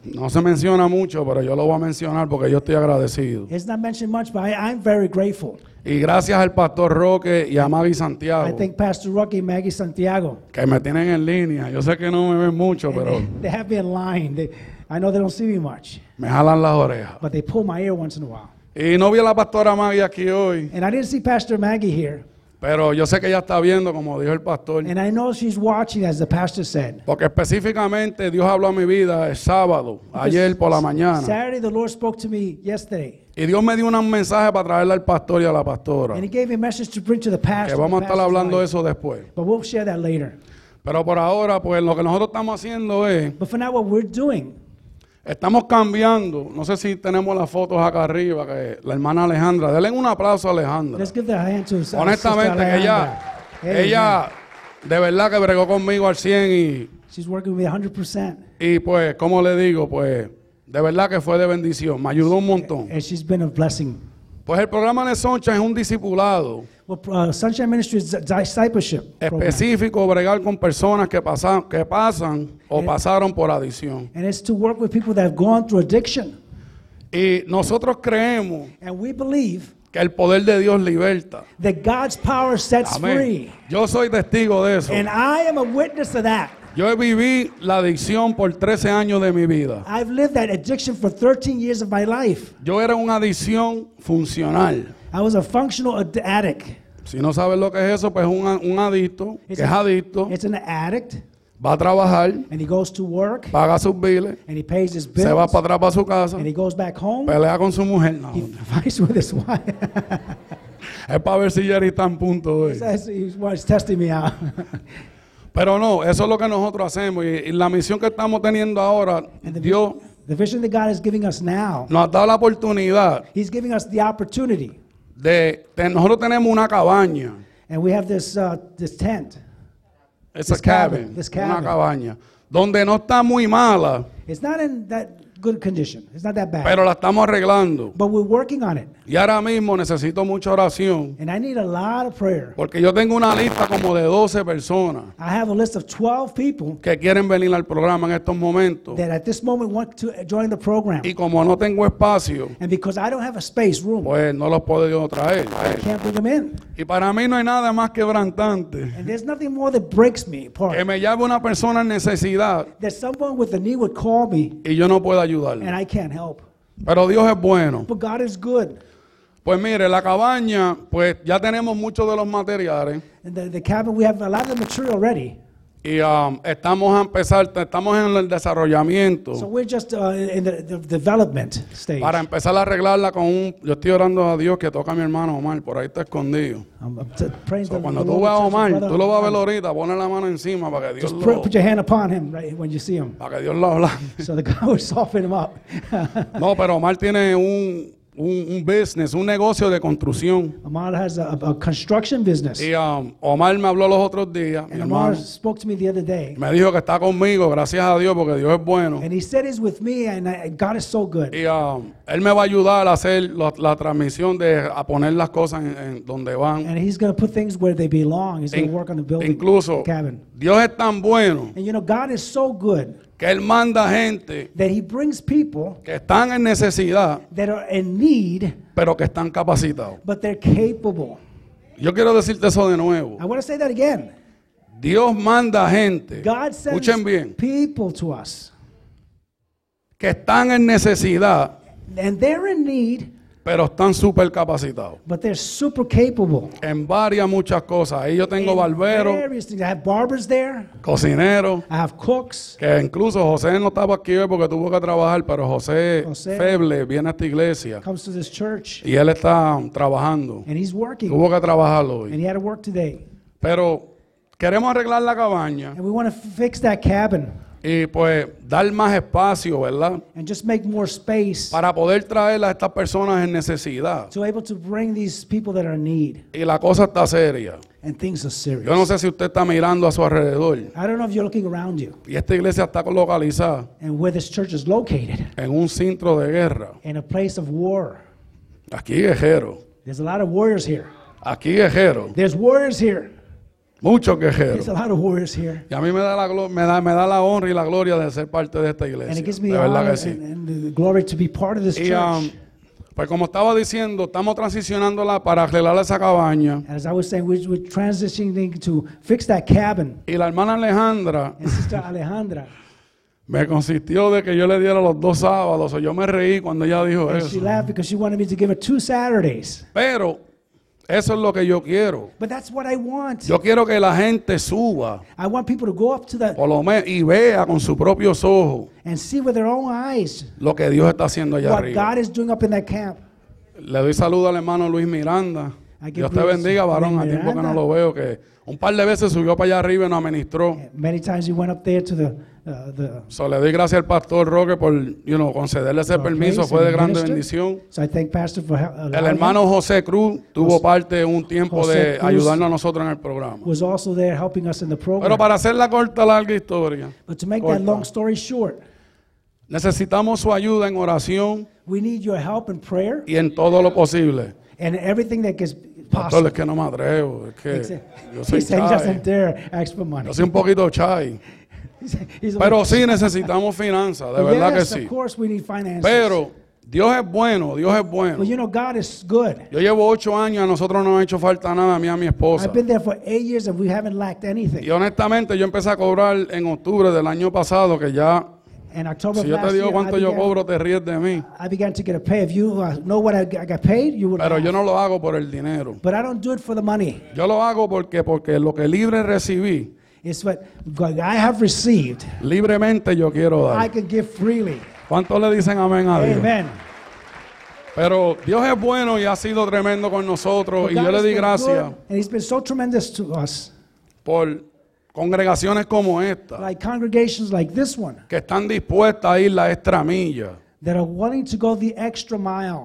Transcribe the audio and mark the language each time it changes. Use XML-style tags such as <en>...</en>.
<es>No se menciona mucho, pero yo lo voy a mencionar porque yo estoy agradecido.</es> <en>It's not mentioned much, but I'm very grateful.</en> <es>Y gracias al Pastor Roque y a Maggie Santiago.</es> <en>I thank Pastor Roque and Maggie Santiago.</en> <es>Que me tienen en línea. Yo sé que no me ven mucho, pero...</es> <en>They have me in line. I know they don't see me much.</en> <es>Me jalan las orejas.</es> <en>But they pull my ear once in a while.</en> <es>Y no vi a la Pastora Maggie aquí hoy.</es> <en>And I didn't see Pastor Maggie here.</en> <es>Pero yo sé que ella está viendo, como dijo el Pastor.</es> <en>And I know she's watching, as the Pastor said.</en> <es>Porque específicamente Dios habló a mi vida el sábado, ayer por la mañana.</es> <en>Saturday the Lord spoke to me yesterday.</en> <es>Y Dios me dio un mensaje para traerle al pastor y a la pastora.</es> <en>And he gave me a message to bring to the pastor.</en> <es>Que vamos a estar hablando eso después.</es> <en>But we'll share that later.</en> <es>Pero por ahora, pues lo que nosotros estamos haciendo es...</es> <en>But for now, what we're doing...</en> <es>Estamos cambiando. No sé si tenemos las fotos acá arriba, que la hermana Alejandra. Denle un aplauso a Alejandra.</es> <en>Let's give the hand to Alejandra.</en> <es>Honestamente, que ella de verdad que bregó conmigo al 100 y...</es> <en>She's working with me 100%.</en> <es>Y pues, ¿cómo le digo? Pues... De verdad que fue de bendición, me ayudó un montón.</es> <en>And she's been a blessing.</en> <es>Pues el programa de Sunshine es un discipulado.</es> <en>Well, Sunshine Ministry is a discipleship program.</en> <es>Específico, bregar con personas que pasan o pasaron por adicción.</es> <en>And it's to work with people that have gone through addiction.</en> <es>Y nosotros creemos.</es> <en>And we believe.</en> <es>Que el poder de Dios liberta.</es> <en>That God's power sets</en> <es>Amén.</es> <en>Free.</en> <es>Yo soy testigo de eso.</es> <en>And I am a witness of that.</en> <es>Yo he vivido la adicción por 13 años de mi vida.</es> <en>I've lived that addiction for 13 years of my life.</en> <es>Yo era una adicción funcional.</es> <en>I was a functional addict.</en> <es>Si no sabes lo que es eso, pues un adicto, que es adicto.</es> <en>It's an addict.</en> <es>Va a trabajar.</es> <en>And he goes to work.</en> <es>Paga sus biles.</es> <en>And he pays his bills.</en> <es>Se va para atrás para su casa.</es> <en>And he goes back home.</en> <es>Pelea con su mujer. No,</es> <en>he fights with his wife.</en> <es>Es para ver si Jerry está en punto hoy.</es> <en>He's testing me out.</en> <es>Pero no, eso es lo que nosotros hacemos y la misión que estamos teniendo ahora, Dios,</es> <en>the vision that God is giving us now,</en> <es>nos ha dado la oportunidad.</es> <en>He's giving us the opportunity.</en> <es>Nosotros tenemos una cabaña.</es> <en>And we have this tent. It's this a cabin. This cabin.</en> <es>Una cabaña. Donde no está muy mala.</es> <en>It's not in that good condition. It's not that bad.</en> <es>Pero la estamos arreglando.</es> <en>But we're working on it.</en> <es>Y ahora mismo necesito mucha oración.</es> <en>And I need a lot of prayer.</en> <es>Porque yo tengo una lista como de 12 personas.</es> <en>I have a list of 12 people.</en> <es>Que quieren venir al programa en estos momentos.</es> <en>That at this moment want to join the program.</en> <es>Y como no tengo espacio.</es> <en>And because I don't have a space room.</en> <es>Pues no los puedo yo traer.</es> <en>I can't bring them in.</en> <es>Y para mí no hay nada más quebrantante.</es> <en>And there's nothing more that breaks me apart.</en> <es>Que me llame una persona en necesidad.</es> <en>That someone with a need would call me.</en> <es>Y yo no puedo ayudarle.</es> <en>And I can't help.</en> <es>Pero Dios es bueno.</es> <en>But God is good.</en> <es>Pues mire, la cabaña, pues ya tenemos muchos de los materiales.</es> <en>The cabin, we have a lot of the material already.</en> <es>Y estamos en el desarrollamiento.</es> <en>So we're just in the development stage.</en> <es>Para empezar a arreglarla con un... Yo estoy orando a Dios que toque a mi hermano Omar, por ahí está escondido. Cuando tú veas a Omar, tú lo vas a ver ahorita, pone la mano encima para que Dios lo...</es> <en>Just put your hand upon him right when you see him.</en> <es>Para que Dios lo habla.</es> <en>So the God will soften him up.</en> <es>No, pero Omar tiene un business, un negocio de construcción.</es> <en>Omar has a construction business.</en> <es>Y Omar me habló los otros días.</es> <en>And Omar spoke to me the other day.</en> <es>Me dijo que está conmigo, gracias a Dios, porque Dios es bueno.</es> <en>And he said he's with me, and God is so good.</en> <es>Y él me va a ayudar a hacer la transmisión a poner las cosas en donde van.</es> <en>And he's going to put things where they belong. He's going to work on the building.</en> <es>Incluso,</es> <en>the cabin.</en> <es>Dios es tan bueno.</es> <en>And you know, God is so good.</en> <es>Que él manda gente</es> <en>that he brings people</en> <es>que están en necesidad,</es> <en>that are in need,</en> <es>pero que están capacitados.</es> <en>But they're capable.</en> <es>Yo quiero decirte eso de nuevo.</es> <en>I want to say that again.</en> <es>Dios manda gente.</es> <en>God sends</en> <es>escuchen bien,</es> <en>people to us</en> <es>que están en necesidad,</es> <en>and they're in need,</en> <es>pero están super capacitados.</es> <en>But they're super capable.</en> <es>En varias muchas cosas. Ahí yo tengo barberos.</es> <en>I have barbers there.</en> <es>Cocinero.</es> <en>I have cooks.</en> <es>Que incluso José no estaba aquí hoy porque tuvo que trabajar, pero José Feble viene a esta iglesia.</es> <en>Comes to this church.</en> <es>Y él está trabajando.</es> <en>And he's working.</en> <es>Tuvo que trabajar hoy.</es> <en>And he had to work today.</en> <es>Pero queremos arreglar la cabaña.</es> <en>And we want to fix that cabin.</en> <es>Y pues dar más espacio, ¿verdad?</es> <en>And just make more space</en> <es>para poder traer a estas personas en necesidad.</es> <en>To able to bring these people that are in need.</en> <es>Y la cosa está seria.</es> <en>And things are serious.</en> <es>Yo no sé si usted está mirando a su alrededor.</es> <en>I don't know if you're looking around you.</en> <es>Y esta iglesia está localizada.</es> <en>And where this church is located.</en> <es>En un centro de guerra.</es> <en>In a place of war.</en> <es>Aquí guerrero.</es> <en>There's a lot of warriors here.</en> <es>Aquí guerrero.</es> <en>There's warriors here.</en> <es>Muchos guerreros.</es> <en>There's a lot of warriors here.</en> <es>Y a mí me da la honra y la gloria de ser parte de esta iglesia.</es> <en>And it gives me the honor and the glory to be part of this church.</en> <es>Pues como estaba diciendo, estamos transicionándola para arreglar esa cabaña.</es> <en>As I was saying, we're transitioning to fix that cabin.</en> <es>Y la hermana Alejandra.</es> <en>And Sister Alejandra.</en> <es>Me consistió de que yo le diera los dos sábados. O yo me reí cuando ella dijo</es> <en>and</en> <es>eso.</es> <en>And she laughed because she wanted me to give her two Saturdays.</en> <es>Pero eso es lo que yo quiero.</es> <en>But that's what I want.</en> <es>Yo quiero que la gente suba.</es> <en>I want people to go up to the,</en> <es>por lo menos, y vea con sus propios ojos.</es> <en>And see with their own eyes.</en> <es>Lo que Dios está haciendo allá</es> <en>what</en> <es>arriba.</es> <en>God is doing up in that camp.</en> <es>Le doy saludo al hermano Luis Miranda. Dios te bendiga, varón. A tiempo que no lo veo, que un par de veces subió para allá arriba y nos administró.</es> <en>Many times he went up there to the.</en> <es>So le doy gracias al pastor Roque por,</es> <en>you know,</en> <es>concederle ese permiso. Fue de grande bendición.</es> <en>So I thank Pastor for</en> <es>el hermano José Cruz tuvo parte un tiempo de ayudarnos a nosotros en el programa.</es> <en>Was also there helping us in the program.</en> <es>Pero para hacer la corta larga historia.</es> <en>But to make that long story short.</en> <es>Necesitamos su ayuda en oración.</es> <en>We need your help in prayer.</en> <es>Y en todo lo posible.</es> <en>And everything that is possible.</en> <es>Es que no me atrevo, es que yo soy</es> <en>chai. He doesn't dare ask for money.</en> <es>Yo soy un poquito chai. Pero sí necesitamos finanzas, de verdad que sí.</es> <en>Of course we need finances.</en> <es>Pero Dios es bueno, Dios es bueno.</es> <en>Well, you know, God is good.</en> <es>Yo llevo 8 años, a nosotros no nos ha hecho falta nada, a mí y a mi esposa.</es> <en>I've been there for 8 years and we haven't lacked anything.</en> <es>Y honestamente yo empecé a cobrar en octubre del año pasado, que ya, si yo te digo cuánto yo cobro, te ríes de mí.</es> <en>I began to get a pay. If you know what I got paid, you would.</en> <es>Pero yo no lo hago por el dinero.</es> <en>But I don't do it for the money.</en> <es>Yo lo hago porque lo que libre recibí.</es> <en>It's what I have received.</en> <es>Libremente yo quiero dar.</es> <en>I can give freely.</en> <es>¿Cuánto le dicen amén a Dios?</es> <en>Amen.</en> <es>Pero Dios es bueno y ha sido tremendo con nosotros.</es> <en>But</en> <es>y</es> <en>God</en> <es>yo le di gracias.</es> <en>And he's been so tremendous to us.</en> <es>Por congregaciones como esta.</es> <en>Like congregations like this one.</en> <es>Que están dispuestas a ir la extra milla.</es> <en>That are willing to go the extra mile.</en>